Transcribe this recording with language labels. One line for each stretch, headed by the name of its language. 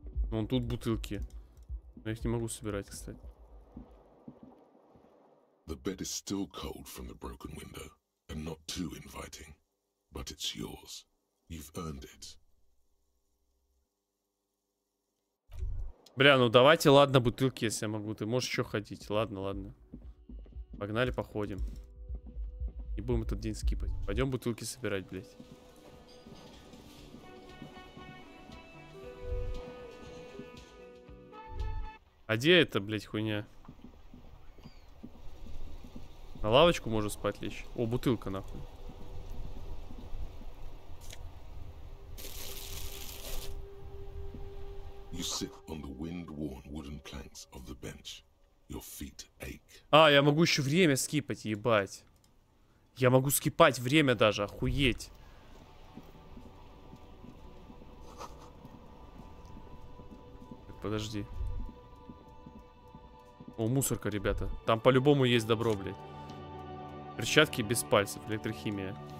Russian: Вон тут бутылки. Я их не могу собирать, кстати.
English: The bed is still cold from the broken window, and not too inviting. But it's yours. You've earned it.
Russian: Бля, ну давайте, ладно, бутылки, если я могу. Ты можешь еще ходить. Ладно, ладно. Погнали, походим. Не будем этот день скипать. Пойдем бутылки собирать, блядь. А где эта, блядь, хуйня? На лавочку можно спать лечь. О, бутылка, нахуй.
English: You sit on the wind-worn wooden planks of the bench. Your feet ache.
Russian: А, я могу еще время скипать, ебать. Я могу скипать время даже, охуеть. Так, подожди. О, мусорка, ребята. Там по-любому есть добро, блядь. Перчатки без пальцев, электрохимия.